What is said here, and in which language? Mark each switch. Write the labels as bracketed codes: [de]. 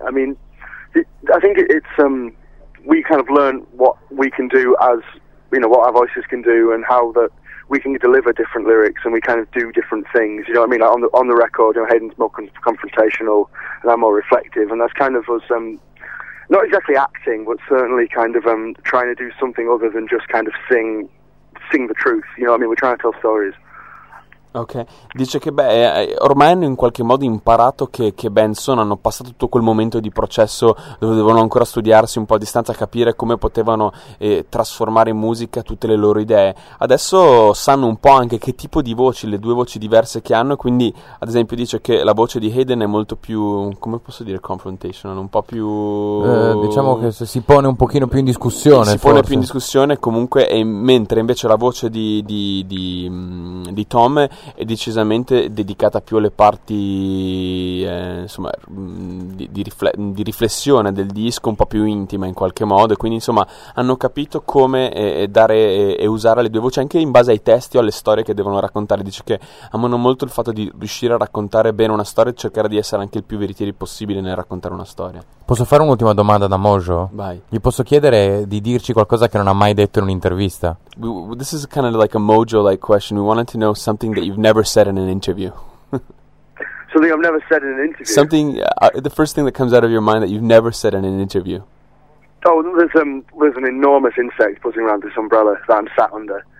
[en] I mean, I think it's we kind of learn what we can do, as you know, what our voices can do, and how that we can deliver different lyrics, and we kind of do different things. You know what I mean? Like on the record, you know, Hayden's more confrontational, and I'm more reflective, and that's kind of us not exactly acting, but certainly kind of trying to do something other than just kind of sing the truth. You know what I mean? We're trying to tell stories. [it] Ok, dice che beh, ormai hanno in qualche modo imparato che band sono, hanno passato tutto quel momento di processo dove devono ancora studiarsi un po' a distanza, capire come potevano trasformare in musica tutte le loro idee. Adesso sanno un po' anche che tipo di voci, le due voci diverse che hanno, quindi ad esempio dice che la voce di Hayden è molto più, come posso dire, confrontational, un po' più... Diciamo che si pone un pochino più in discussione. Si pone più in discussione comunque, e mentre invece la voce di Tom è decisamente dedicata più alle parti insomma di riflessione del disco, un po' più intima in qualche modo, e quindi insomma hanno capito come dare e usare le due voci anche in base ai testi o alle storie che devono raccontare. Dice che amano molto il fatto di riuscire a raccontare bene una storia e cercare di essere anche il più veritieri possibile nel raccontare una storia. Posso fare un'ultima domanda da Mojo? Vai. Gli posso chiedere di dirci qualcosa che non ha mai detto in un'intervista? [en] This is kind of like a Mojo like question. We wanted to know something that you've never said in an interview. Something I've never said in an interview. Something, the first thing that comes out of your mind that you've never said in an interview. Oh, there's an enormous insect buzzing around this umbrella that I'm sat under.